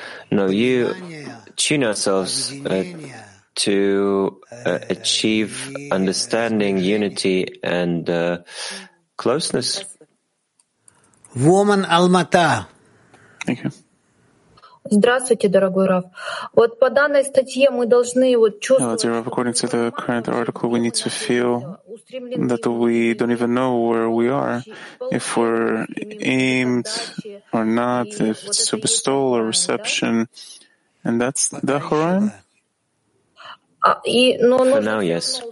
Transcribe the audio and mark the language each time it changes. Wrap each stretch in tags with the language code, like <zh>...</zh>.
<en>No, you tune ourselves to achieve understanding, unity, and closeness. Woman Almata. Thank you.</en> <ru>Здравствуйте, дорогой Раф. Вот по данной статье мы должны вот чувствовать.</ru> <en>Hello, according to the current article, we need to feel that we don't even know where we are, if we're aimed or not, if it's to bestow or reception, and that's the Horayim. For now, yes.</en>